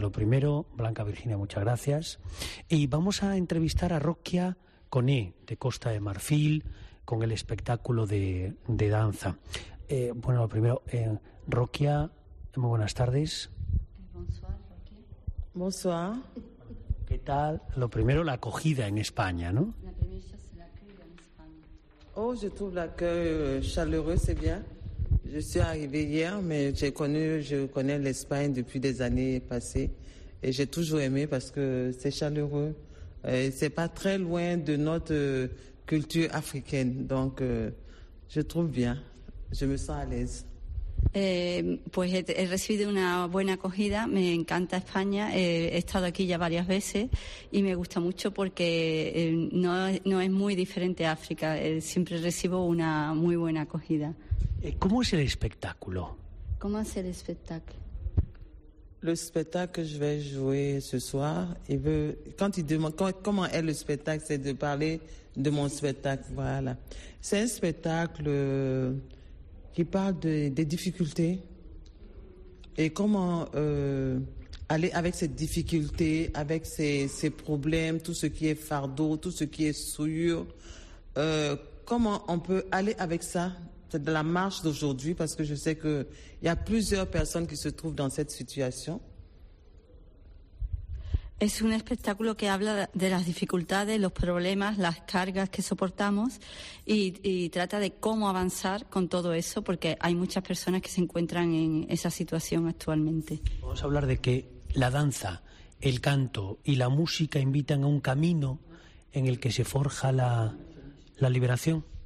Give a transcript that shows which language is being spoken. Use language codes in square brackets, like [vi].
[es] Lo primero, Blanca Virginia, muchas gracias. Y vamos a entrevistar a Rokia Kone, de Costa de Marfil, con el espectáculo de danza. Bueno, lo primero, Rokia, muy buenas tardes. [fr] Bonsoir. [es] ¿Qué tal? Lo primero, la acogida en España, ¿no? [fr] Oh, je trouve l'accueil chaleureux, c'est bien. Je suis arrivée hier, mais je connais l'Espagne depuis des années passées et j'ai toujours aimé parce que c'est chaleureux. Et c'est pas très loin de notre culture africaine, donc je trouve bien. Je me sens à l'aise. [es] Pues he recibido una buena acogida, me encanta España, he estado aquí ya varias veces y me gusta mucho porque no es muy diferente a África, siempre recibo una muy buena acogida. ¿Cómo es el espectáculo? ¿Cómo es el espectáculo? [fr] Le spectacle que je vais jouer ce soir, il veut, quand il demande comment est le spectacle, c'est de parler de mon spectacle, voilà. C'est un spectacle qui parle des difficultés et comment aller avec ses difficultés, avec ses problèmes, tout ce qui est fardeau, tout ce qui est souillure. Comment on peut aller avec ça? C'est de la marche d'aujourd'hui, parce que je sais qu'il y a plusieurs personnes qui se trouvent dans cette situation. [es] Es un espectáculo que habla de las dificultades, los problemas, las cargas que soportamos y trata de cómo avanzar con todo eso, porque hay muchas personas que se encuentran en esa situación actualmente. Vamos a hablar de que la danza, el canto y la música invitan a un camino en el que se forja la liberación.